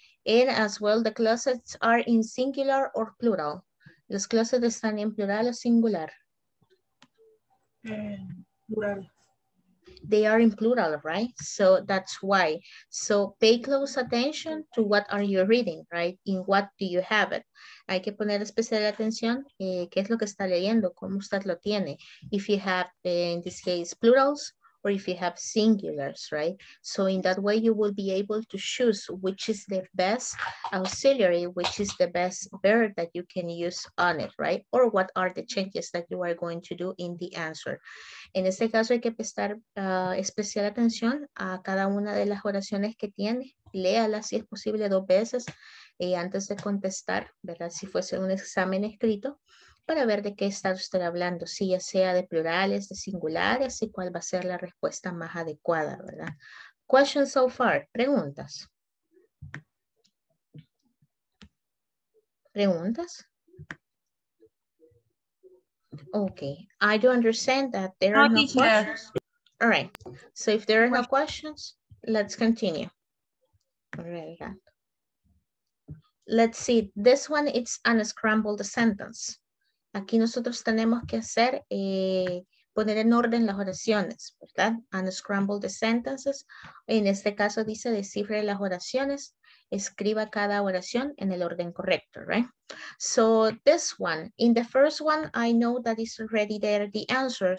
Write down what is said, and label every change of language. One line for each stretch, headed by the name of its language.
English: And as well, the closets are in singular or plural.
Spanish: Los closets están en plural o singular.
English: Plural. They are in plural, right? So that's why. So pay close attention to what are you reading, right? In what do you have it?
Spanish: Hay que poner especial atención qué es lo que está leyendo, cómo usted lo tiene.
English: If you have, in this case, plurals, or if you have singulars, right? So in that way, you will be able to choose which is the best auxiliary, which is the best verb that you can use on it, right? Or what are the changes that you are going to do in the answer.
Spanish: En este caso, hay que prestar especial atención a cada una de las oraciones que tiene. Léalas, si es posible, dos veces antes de contestar, ¿verdad? Si fuese un examen escrito, para ver de qué está usted hablando, si ya sea de plurales, de singulares, y cuál va a ser la respuesta más adecuada, ¿verdad?
English: Questions so far, preguntas.
Spanish: ¿Preguntas?
English: Ok, I do understand that there are no questions. All right, so if there are no questions, let's continue. Let's see, this one, it's an unscrambled sentence.
Spanish: Aquí nosotros tenemos que hacer, poner en orden las oraciones, ¿verdad?
English: Unscramble the sentences.
Spanish: En este caso dice descifre las oraciones, escriba cada oración en el orden correcto, right?
English: So this one, in the first one, I know that is already there the answer.